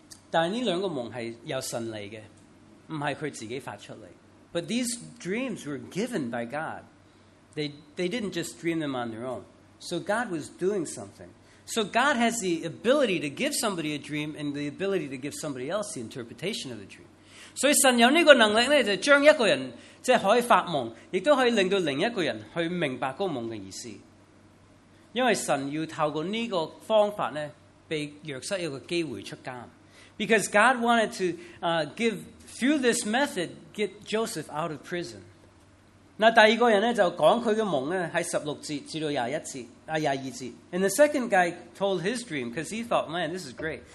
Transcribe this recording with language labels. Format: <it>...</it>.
<zh>但这两个梦是由神来的，不是他自己发出来。</zh> <en>But these dreams were given by God. They didn't just dream them on their own. So God was doing something. So God has the ability to give somebody a dream and the ability to give somebody else the interpretation of the dream.</en> <zh>所以神有这个能力就是将一个人可以发梦，亦都可以令到另一个人去明白那个梦的意思。因为神要透过这个方法被约瑟一个机会出监。Because</zh> <en>God wanted to give, through this method, get Joseph out of prison.</en> <zh>那第二个人就讲他的梦是16至21节，22节。And</zh> <en>the second guy told his dream because he thought, man, this is great.</en>